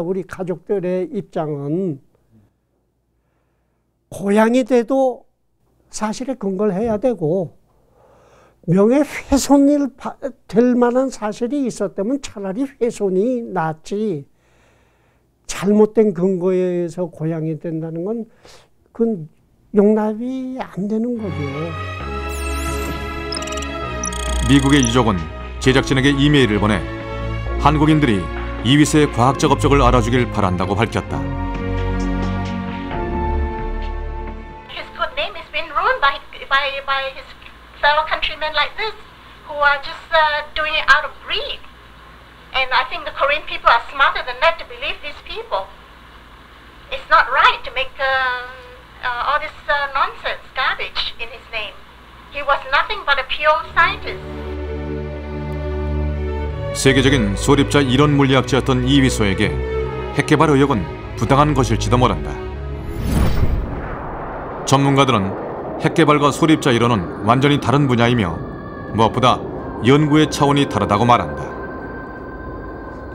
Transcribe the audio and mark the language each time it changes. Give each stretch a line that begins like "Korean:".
Korean: 우리 가족들의 입장은 고향이 돼도 사실에 근거를 해야 되고 명예 훼손이 될 만한 사실이 있었다면 차라리 훼손이 낫지 잘못된 근거에 의해서 고향이 된다는 건 그건 용납이 안 되는 거죠. 미국의 유족은 제작진에게 이메일을 보내 한국인들이 이휘소의 과학적 업적을 알아주길 바란다고 밝혔다.
English: His good name has been ruined by his fellow countrymen like this who are just doing it out of greed. And I think the Korean people are smarter than that to believe these people. It's not right to make all this nonsense garbage in his name. He was nothing but a pure scientist.
Korean: 세계적인 소립자 이론 물리학자였던 이휘소에게 핵개발 의혹은 부당한 것일지도 모른다. 전문가들은 핵개발과 소립자 이론은 완전히 다른 분야이며 무엇보다 연구의 차원이 다르다고 말한다.